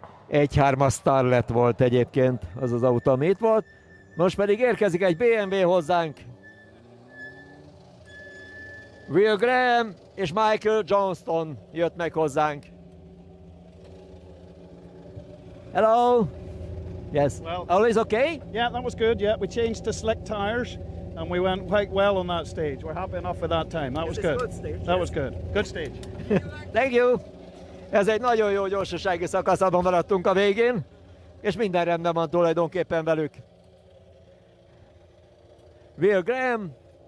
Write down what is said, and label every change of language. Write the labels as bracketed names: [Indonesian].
[Hungarian] 1.3-as Starlet volt egyébként az az autó, ami itt volt. Most pedig érkezik egy BMW hozzánk. Will Graham és Michael Johnston jött meg hozzánk. Hello! [English] Yes. Well, all is okay? Yeah, that was good. Yeah, we changed to slick tires and we went quite well on that stage. We're happy enough with that time. That was good. That was good. Good stage. Thank you. [Hungarian] Ez egy nagyon jó gyorsasági szakaszban maradtunk a végén, és minden rendben van tulajdonképpen velük. Will Graham.